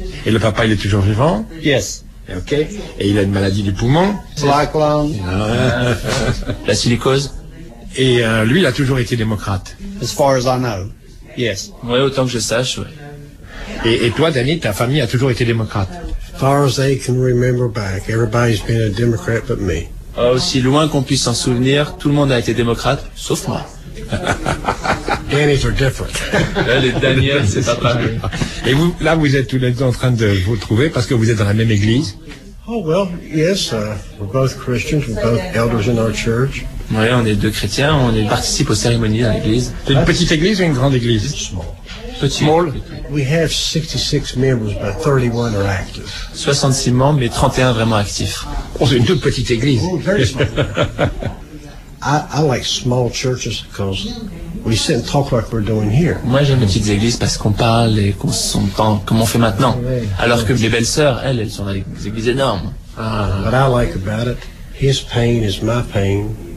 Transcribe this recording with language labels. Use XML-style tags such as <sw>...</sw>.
<fr>Et le papa, il est toujours vivant?</fr> <en>Yes.</en> <fr>Ok. Et il a une maladie du poumon?</fr> <en>Black lung.</en> <fr>La silicose. Et lui, il a toujours été démocrate.</fr> <en>As far as I know, yes.</en> <fr>Oui, autant que je sache, oui. Et toi, Danny, ta famille a toujours été démocrate.</fr> <en>As far as they can remember back, everybody's been a Democrat but me.</en> <fr>Aussi loin qu'on puisse s'en souvenir, tout le monde a été démocrate, sauf moi.</fr> <en>Danny's are different.</en> <fr>Les Daniels, c'est pas pareil. Et vous, là, vous êtes tous les deux en train de vous trouver parce que vous êtes dans la même église.</fr> <en>Oh, well, yes, we're both Christians, we're both elders in our church.</en> <fr>Oui, on est deux chrétiens, on participe aux cérémonies à l'église. C'est une petite église ou une grande église?</fr> <en>Small.</en> <fr>Petit.</fr> <en>Small. We have 66 members, but 31 are active.</en> <fr>66 membres, mais 31 vraiment actifs. Oh, c'est une toute petite église.</fr> <en>Oh, very small. I like small churches because we sit and talk like we're doing here.</en> <fr>Moi, j'aime les petites églises parce qu'on parle et qu'on s'entend comme on fait maintenant. Alors que mes belles sœurs, elles sont dans des églises énormes.</fr> <en>What I like about it, his pain is my pain.</en>